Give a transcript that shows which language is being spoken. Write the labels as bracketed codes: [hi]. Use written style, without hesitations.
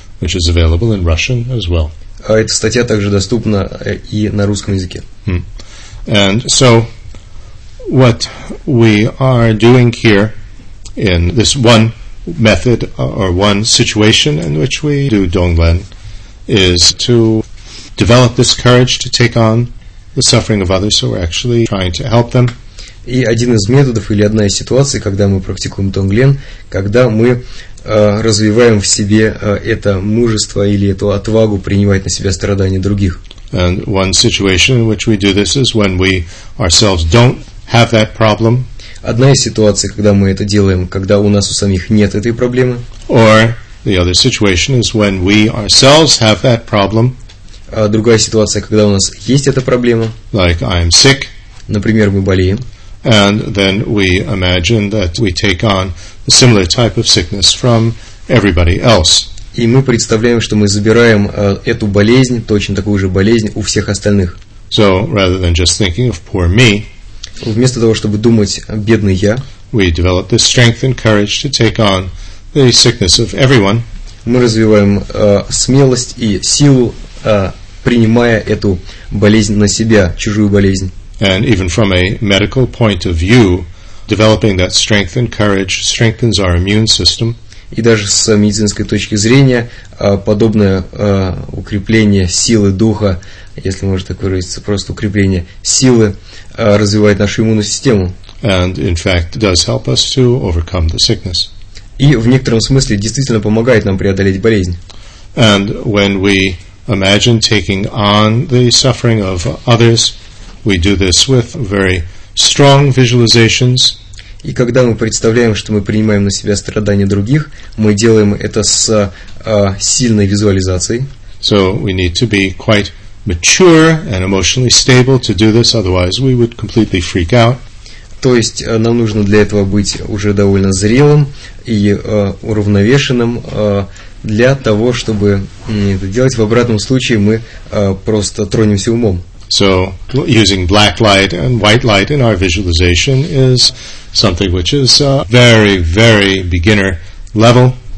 [en] Which is available in Russian as well. [ru] Эта статья также доступна и на русском языке. [en] And so, what we are doing here in this one method or one situation in which we do Donglen is to develop this courage to take on the suffering of others, so we're actually trying to help them. [ru] И один из методов или одна из ситуаций, когда мы практикуем Донглен, когда мы развиваем в себе это мужество или эту отвагу принимать на себя страдания других. [en] And one situation in which we do this is when we ourselves don't have that problem. [ru] Одна из ситуаций, когда мы это делаем, когда у нас у самих нет этой проблемы. [en] Or the other situation is when we ourselves have that problem. [ru] Другая ситуация, когда у нас есть эта проблема. [en] Like I am sick. [ru] Например, мы болеем. [en] And then we imagine that we take on a similar type of sickness from everybody else. [ru] И мы представляем, что мы забираем эту болезнь, точно такую же болезнь у всех остальных. [en] So rather than just thinking of poor me, [ru] вместо того, чтобы думать «бедный я», [en] we develop the strength and courage to take on the sickness of everyone. [ru] Мы развиваем смелость и силу, принимая эту болезнь на себя, чужую болезнь. [en] And even from a medical point of view, developing that strength and courage strengthens our immune system. [ru] И даже с медицинской точки зрения, подобное укрепление силы духа, если можно так выразиться, просто укрепление силы, развивает нашу иммунную систему. [en] And in fact does help us to overcome the sickness. [ru] И в некотором смысле действительно помогает нам преодолеть болезнь. [en] And when we imagine taking on the suffering of others, we do this with very strong visualizations. [ru] И когда мы представляем, что мы принимаем на себя страдания других, мы делаем это с сильной визуализацией. [en] So we need to be quite mature and emotionally stable to do this, otherwise we would completely freak out. [ru] То есть нам нужно для этого быть уже довольно зрелым и уравновешенным для того, чтобы это делать. В обратном случае мы просто тронемся умом. [en] So, using black light and white light in our visualization is something which is very, very beginner level.